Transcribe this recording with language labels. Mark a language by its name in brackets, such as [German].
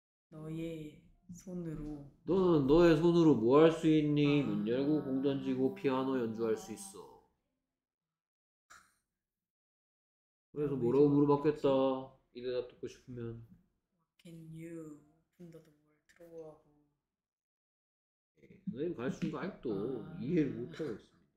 [Korean] 너의 손으로 너는 너의 손으로 뭐 할 수 있니? 아... 문 열고 공 던지고 피아노 연주할 수 있어. 그래서 뭐라고 물어봤겠다. 이 대답 듣고 싶으면 [English] Can you open the door, throw a ball? [Korean] 선생님 가르치는 거 아직도 이해를 못하고 있어.